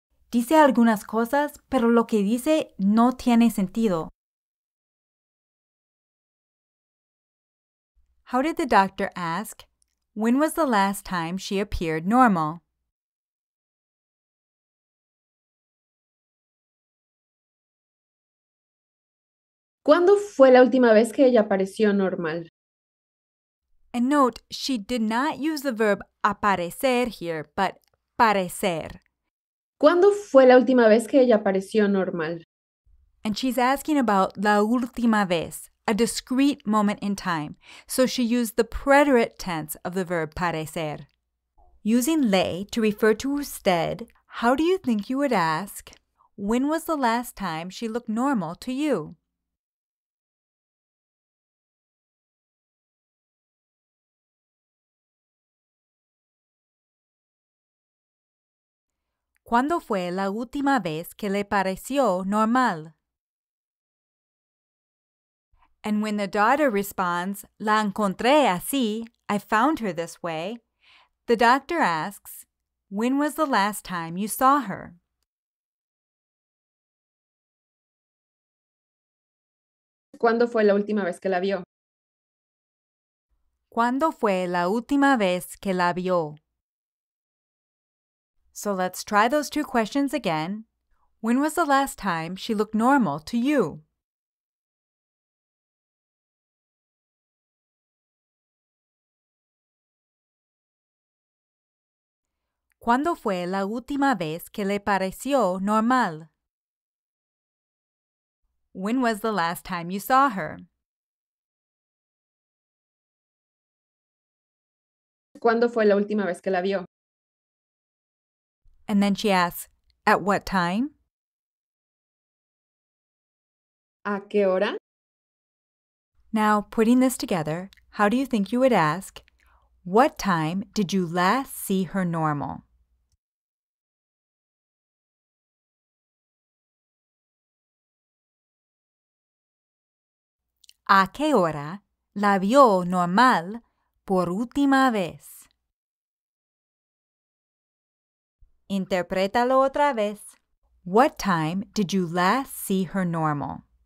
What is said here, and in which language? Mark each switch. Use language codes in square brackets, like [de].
[es] Dice algunas cosas, pero lo que dice no tiene sentido. [en] How did the doctor ask, when was the last time she appeared normal? [es] ¿Cuándo fue la última vez que ella apareció normal? [en] And note, she did not use the verb aparecer here, but parecer. [es] ¿Cuándo fue la última vez que ella apareció normal? [en] And she's asking about [es] la última vez, [en] a discrete moment in time. So she used the preterite tense of the verb parecer. Using le to refer to usted, how do you think you would ask, when was the last time she looked normal to you? [es] ¿Cuándo fue la última vez que le pareció normal? [en] And when the daughter responds, [es] la encontré así, [en] I found her this way, the doctor asks, when was the last time you saw her? [es] ¿Cuándo fue la última vez que la vio? ¿Cuándo fue la última vez que la vio? [en] So let's try those two questions again. When was the last time she looked normal to you? [es] ¿Cuándo fue la última vez que le pareció normal? [en] When was the last time you saw her? [es] ¿Cuándo fue la última vez que la vio? [en] And then she asks, at what time? [es] ¿A qué hora? [en] Now, putting this together, how do you think you would ask, what time did you last see her normal? [es] ¿A qué hora la vio normal por última vez? Interprétalo otra vez. [en] What time did you last see her normal?